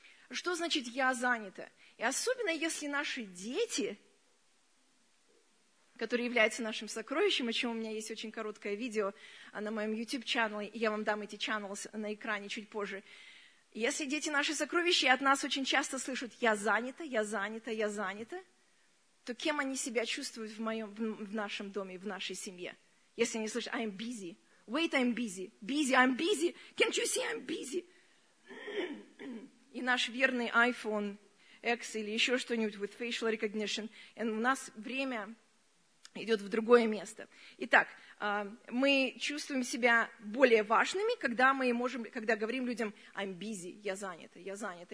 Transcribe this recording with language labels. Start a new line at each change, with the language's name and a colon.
Russian: Что значит «я занята»? И особенно, если наши дети, которые являются нашим сокровищем, о чем у меня есть очень короткое видео на моем YouTube-чаннеле, я вам дам эти channels на экране чуть позже. Если дети наши сокровища, и от нас очень часто слышат «я занята», «я занята», «я занята», то кем они себя чувствуют в нашем доме, в нашей семье? Если они слышат
English: «I'm busy», «wait, I'm busy», «busy, I'm busy», «can't you see, I'm busy»?
Russian: И наш верный iPhone X или еще что-нибудь
English: with facial recognition,
Russian: и у нас время идет в другое место. Итак, мы чувствуем себя более важными, когда мы можем, когда говорим людям
English: «I'm busy»,
Russian: «я занята».